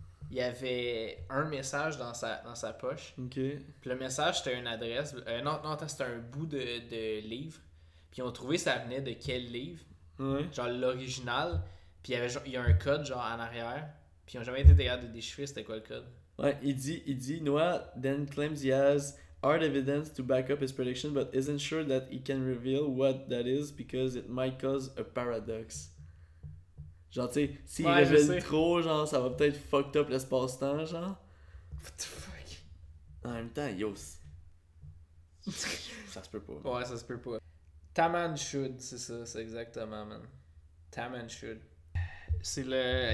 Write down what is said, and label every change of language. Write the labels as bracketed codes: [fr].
[fr] Il y avait un message dans sa poche. Okay. Puis le message, c'était une adresse. Non, c'était un bout de livre. Puis ils ont trouvé ça venait de quel livre. Ouais. Genre l'original. Puis il y a un code genre en arrière. Puis ils ont jamais été capables de déchiffrer c'était quoi le code. Ouais, il dit [en] Noah then claims he has hard evidence to back up his prediction, but isn't sure that he can reveal what that is because it might cause a paradox. [fr] Genre, tu sais, s'il révèle trop, genre, ça va peut-être fucked up l'espace-temps, genre. [en] What the fuck? [fr] En même temps, yo. Ça se peut pas. Man. Ouais, ça se peut pas. Taman Shud, c'est ça, c'est exactement, man. Taman Shud. C'est le.